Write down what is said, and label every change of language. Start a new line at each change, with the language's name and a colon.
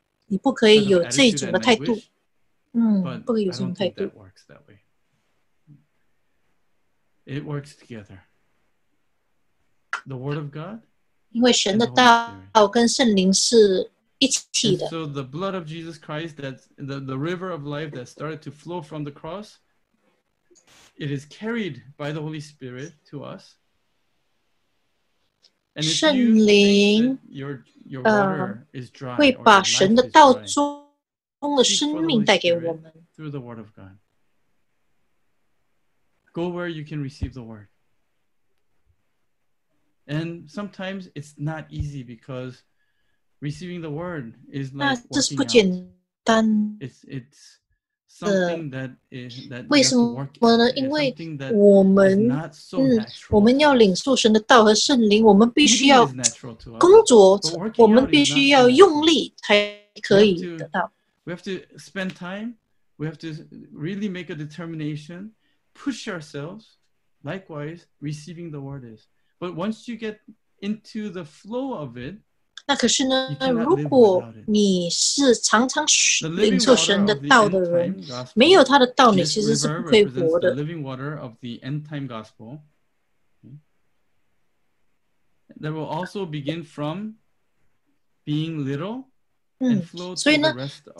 Chinese: 你不可以有这种的态度，不可以有这种态度。
English: It works together. The word of God.
Chinese: 因为神的道跟圣灵是一起的。
English: So the blood of Jesus Christ, that the river of life that started to flow from the cross. It is carried by the Holy Spirit to us. And if
Chinese: 圣灵
English: your water is dry,
Chinese: 会把神的道中的生命带给我们。
English: Through the Word of God. Go where you can receive the Word. And sometimes it's not easy because receiving the Word is like working out.
Chinese: 那这是不简单。
English: It's something that is, that
Chinese: 为什么呢？因为我们要领受神的道和圣灵，我们必须要工作，我们必须要用力才可以得到。
English: We have to spend time. We have to really make a determination, push ourselves. Likewise, receiving the word is. But once you get into the flow of it.
Chinese: 那可是呢，如果你是常常领受神的道的人，没有他的道，你其实是不会活的。
English: The living water of the end time gospel that will also begin from being little and flow to the rest of the world.